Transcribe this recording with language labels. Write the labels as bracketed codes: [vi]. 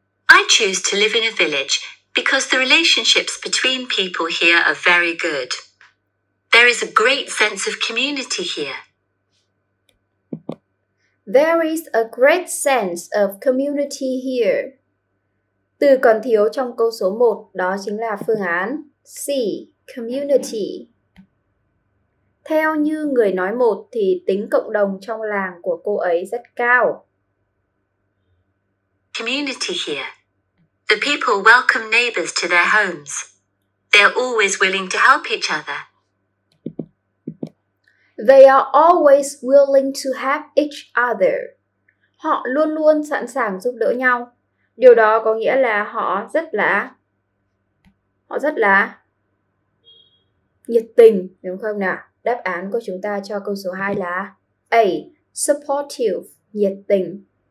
[en] I choose to live in a village because the relationships between people here are very good. There is a great sense of community here. There is a great sense of community here. [vi] Từ còn thiếu trong câu số 1 đó chính là phương án C, community. Theo như người nói một thì tính cộng đồng trong làng của cô ấy rất cao. [en] Community here. The people welcome neighbors to their homes. They're always willing to help each other. They are always willing to help each other. [vi] Họ luôn luôn sẵn sàng giúp đỡ nhau. Điều đó có nghĩa là họ rất là nhiệt tình, đúng không nào? Đáp án của chúng ta cho câu số 2 là A. Supportive, nhiệt tình.